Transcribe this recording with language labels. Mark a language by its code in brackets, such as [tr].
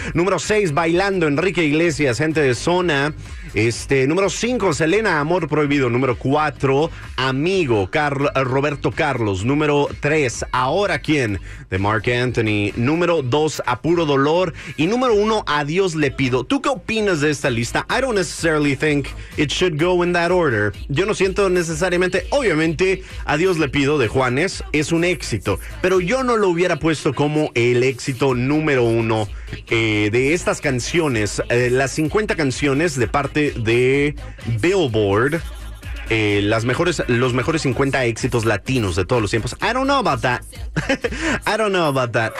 [es] Número 6, Bailando, Enrique Iglesias, Gente de Zona. Número 5, Selena, Amor Prohibido. Número 4, Amigo, Roberto Carlos. Número 3, Ahora Quién, de Marc Anthony. Número 2, A Puro Dolor. Y número 1, A Dios Le Pido. ¿Tú qué opinas de esta lista? [en] I don't necessarily think it should go in that order. [es] Yo no siento necesariamente, obviamente, A Dios Le Pido, de Juanes, es un éxito. Pero yo no lo hubiera puesto como el éxito número 1. De estas canciones, las 50 canciones de parte de Billboard, los mejores 50 éxitos latinos de todos los tiempos. [en] I don't know about that. [es] I don't know about that.